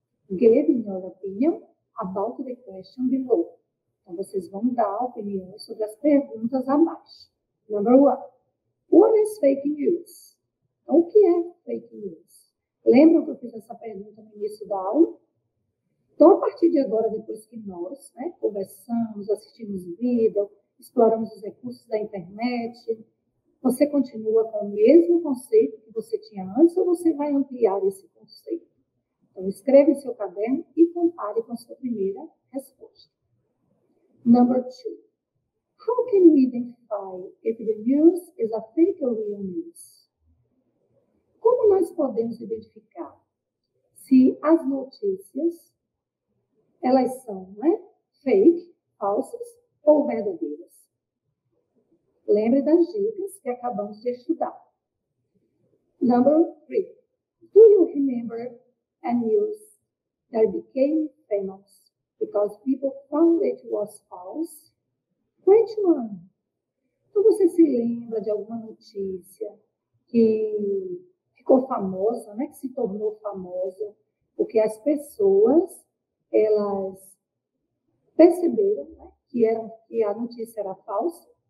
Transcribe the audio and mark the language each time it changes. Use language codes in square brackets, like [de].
[en] Give in your opinion about the question below. [pt] Então, vocês vão dar opiniões sobre as perguntas abaixo. [en] Number one. What is fake news? [pt] Então, o que é fake news? Lembram que eu fiz essa pergunta no início da aula? Então, a partir de agora, depois que nós, né, conversamos, assistimos vídeo, exploramos os recursos da internet, você continua com o mesmo conceito que você tinha antes ou você vai ampliar esse conceito? Então, escreva em seu caderno e compare com a sua primeira resposta. [en] Number two. How can we identify if the news is a fake or real news? [pt] Como nós podemos identificar se as notícias, elas são, né, fake, falsas ou verdadeiras? Lembre das dicas que acabamos de estudar. [en] Number three. Do you remember a news that became famous because people found it was false? Which one? [pt] Então, você se lembra de alguma notícia que ficou famosa, né? Que se tornou famosa, porque as pessoas, elas perceberam, né, que a notícia era falsa?